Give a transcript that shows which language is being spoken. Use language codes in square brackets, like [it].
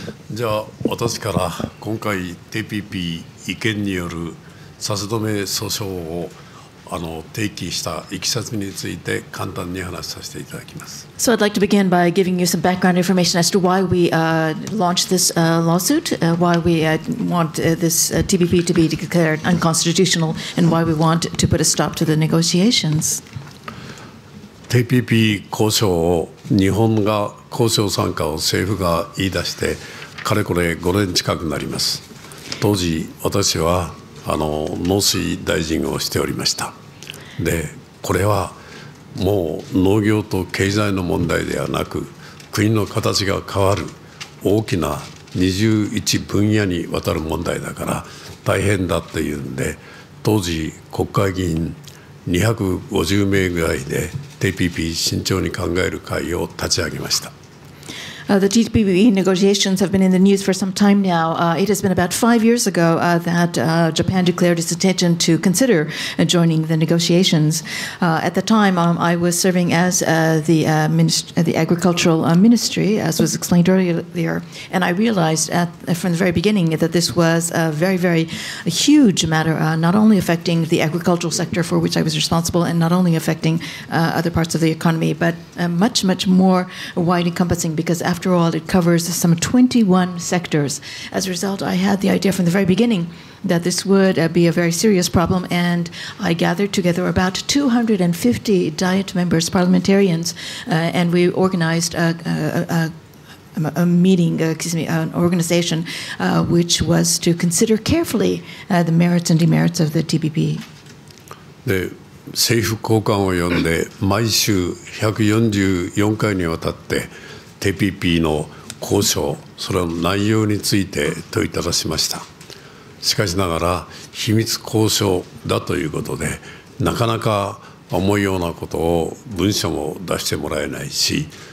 [ja] じゃあ私から今回 TPP 違憲による差し止め訴訟を提起したいきさつについて簡単に話させていただきます。 [en] So I'd like to begin by giving you some background information as to why we launched this lawsuit, why we want this TPP to be declared unconstitutional, and why we want to put a stop to the negotiations. [ja] TPP 交渉を日本が交渉参加を政府が言い出してかれこれ5年近くなります。当時私は農水大臣をしておりました。で、これはもう農業と経済の問題ではなく、国の形が変わる大きな21分野にわたる問題だから大変だっていうんで、当時国会議員250名ぐらいで TPP 慎重に考える会を立ち上げました。 [en] The TPP negotiations have been in the news for some time now. It has been about 5 years ago that Japan declared its intention to consider joining the negotiations. At the time, I was serving as the agricultural ministry, as was explained earlier, and I realized from the very beginning that this was a very, very huge matter, not only affecting the agricultural sector for which I was responsible, and not only affecting other parts of the economy, but much, much more wide encompassing, because after all, it covers some 21 sectors. As a result, I had the idea from the very beginning that this would be a very serious problem, and I gathered together about 250 Diet members, parliamentarians, and we organized a meeting, an organization, which was to consider carefully the merits and demerits of the TPP. [ja] The 政府高官を呼んで毎週144回にわたってTPP の交渉、それの内容について問いただしました。しかしながら秘密交渉だということで、なかなか思うようなことを文書も出してもらえないし、